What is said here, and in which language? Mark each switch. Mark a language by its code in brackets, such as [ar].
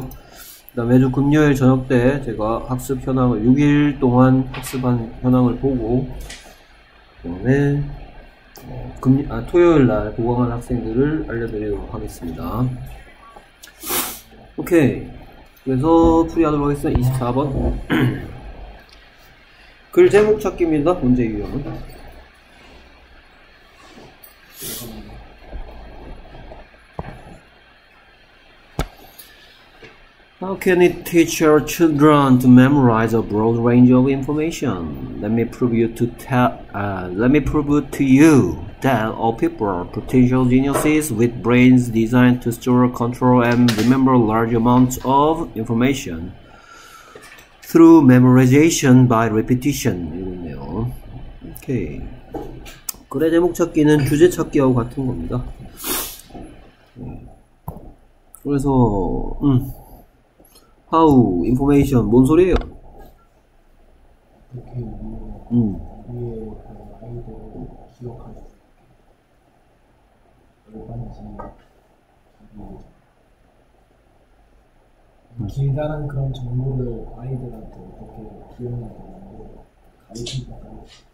[ko] 그 다음에 매주 금요일 저녁 때 제가 학습 현황을 6일 동안 학습한 현황을 보고 그 다음에 토요일 날 보강한 학생들을 알려드리도록 하겠습니다. 오케이. 그래서 풀이하도록 하겠습니다. 24번 글 제목 찾기입니다. 문제 유형은 [en] How can it teach your children to memorize a broad range of information? Let me prove it to you that all people are potential geniuses with brains designed to store, control, and remember large amounts of information through memorization by repetition. [ko] 이거네요. 오케이. 글의 제목 찾기는 주제 찾기하고 같은 겁니다. 그래서, How, information, 뭔 소리예요? 이렇게 있는 위에 아이들을 기억할 수 있게 길다란 그런 정보를 아이들한테 어떻게 기억나게 가르치는 건가요?